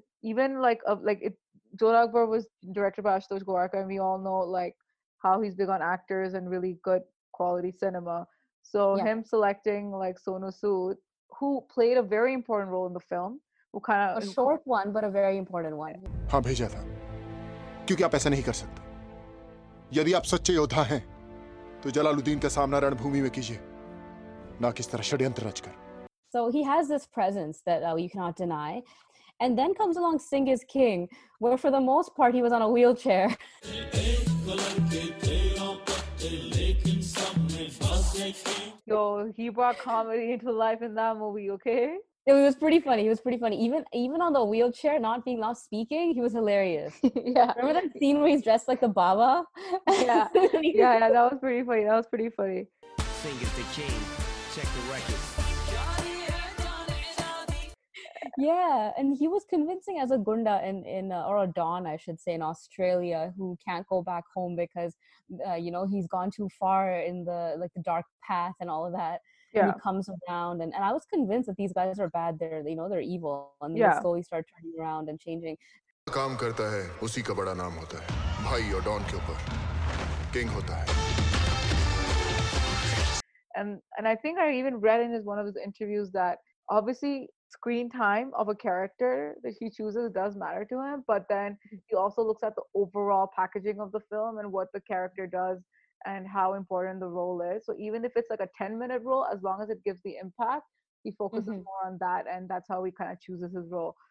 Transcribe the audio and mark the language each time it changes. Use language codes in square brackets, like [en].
[en] Even Jodha Akbar was directed by Ashutosh Gowarikar, and we all know how he's big on actors and really good quality cinema. So yeah, him selecting Sonu Sood, who played a very important role in the film, who kind of a short one but a very important one. [hi] हाँ भेजा था, क्योंकि आप ऐसा नहीं कर सकते. यदि आप सच्चे योद्धा हैं, तो जलालुद्दीन का सामना रणभूमि में कीजिए, ना किस तरह षड्यंत्र रचकर. [en] So he has this presence that you cannot deny. And then comes along Singh is King, where for the most part he was on a wheelchair. Yo, he brought comedy into life in that movie, okay? It was pretty funny. He was pretty funny. Even on the wheelchair, not being loud speaking, he was hilarious. Yeah. Remember that scene where he's dressed like the Baba? Yeah. Yeah, that was pretty funny. That was pretty funny. Singh is the King. Check the record. Yeah, and he was convincing as a gunda or a don, I should say, in Australia, who can't go back home because, he's gone too far in the dark path and all of that. Yeah. And he comes around, and I was convinced that these guys are bad. They're evil, and they slowly start turning around and changing. [hi] काम करता है उसी का बड़ा नाम होता है भाई और डॉन के ऊपर किंग होता है. [en] And I think I even read in one of his interviews that obviously screen time of a character that he chooses does matter to him, but then he also looks at the overall packaging of the film and what the character does and how important the role is. So even if it's like a 10-minute role, as long as it gives the impact, he focuses more on that, and that's how he kind of chooses his role.